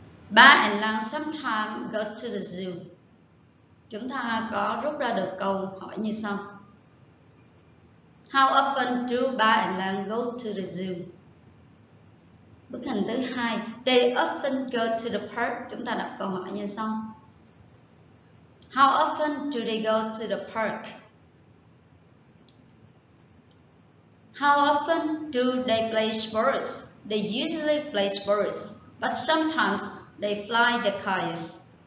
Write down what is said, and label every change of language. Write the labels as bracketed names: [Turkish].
[English] Ba and Lan sometimes go to the zoo. [Vietnamese] Chúng ta có rút ra được câu hỏi như sau. [English] How often do Ba and Lan go to the zoo? Bức hình thứ hai, they often go to the park. [Vietnamese] Chúng ta đặt câu hỏi như sau. [English] How often do they go to the park? How often do they play sports? They usually play sports, but sometimes they fly the kites.